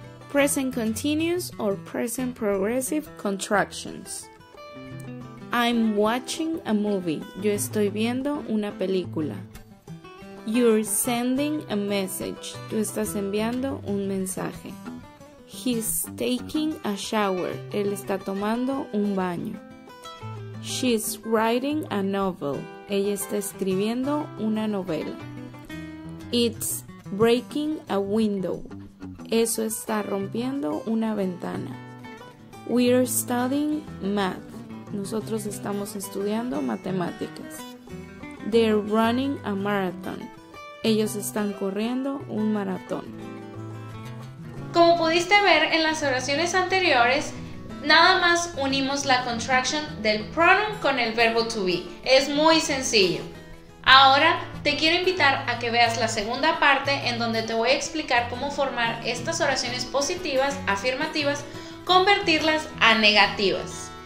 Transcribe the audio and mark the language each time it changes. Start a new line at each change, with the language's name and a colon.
English: Present continuous or present progressive contractions. I'm watching a movie.
Spanish: Yo estoy viendo una película.
English: You're sending a message.
Spanish: Tú estás enviando un mensaje.
English: He's taking a shower.
Spanish: Él está tomando un baño.
English: She's writing a novel.
Spanish: Ella está escribiendo una novela.
English: It's breaking a window.
Spanish: Eso está rompiendo una ventana.
English: We're studying math.
Spanish: Nosotros estamos estudiando matemáticas.
English: They're running a marathon.
Spanish: Ellos están corriendo un maratón. Como pudiste ver en las oraciones anteriores, nada más unimos la contraction del pronoun con el verbo to be. Es muy sencillo. Ahora te quiero invitar a que veas la segunda parte en donde te voy a explicar cómo formar estas oraciones positivas, afirmativas, convertirlas a negativas.